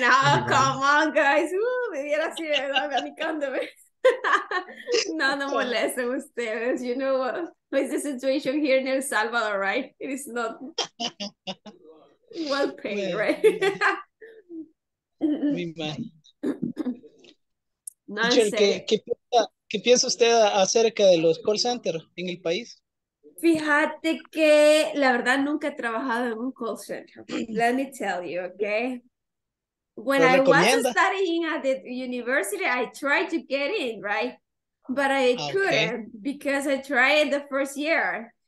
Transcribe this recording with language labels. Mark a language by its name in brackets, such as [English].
[English] no, come on, guys. [Spanish] Me diera así, ¿verdad? Me No, no molesten ustedes. [English] You know what? What's the situation here in El Salvador, right? It is not well paid, well, right? [Spanish] Me imagino. No sé. ¿Qué piensa usted acerca de los call centers en el país? Fíjate que la verdad nunca he trabajado en un call center. [English] Let me tell you, okay? When I was studying at the university, I tried to get in, right? But I couldn't because I tried the first year.